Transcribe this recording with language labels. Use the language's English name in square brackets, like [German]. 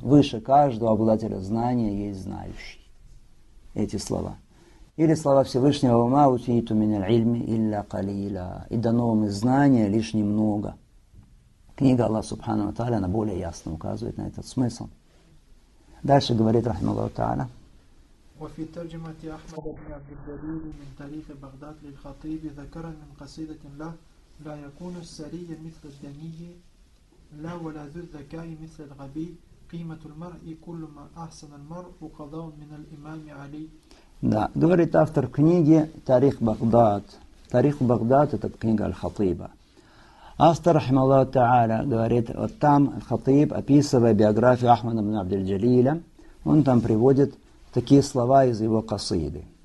[Russian] Выше каждого обладателя знания есть знающий. Эти слова. Или слова Всевышнего, «Ва ма утииту мин аль-ильми илля калила». И дано вам из знания лишь немного. Книга Аллаха Субхана ва Тааля, она более ясно указывает на этот смысл. Дальше говорит рахмаллаху та'аля. [Arabic] وفي ترجمة أحمد بن عبد الجليل من تاريخ بغداد للخطيب ذكر من قصيدة له لا يكون السري مثل الدني لا ولا ذو الذكاء مثل الغبي قيمة المرء كل ما أحسن المرء قضاء من الإمام علي. [Russian] Да, говорит автор книги «Тарих Багдад». «Тарих Багдад» — это книга Аль-Хатиба. Автор, рахмаллаху та'аля, говорит, вот там Аль-Хатиб, описывая биографию Ахмада ибн Абдель-Джалиля, он там приводит такие слова из его касиды.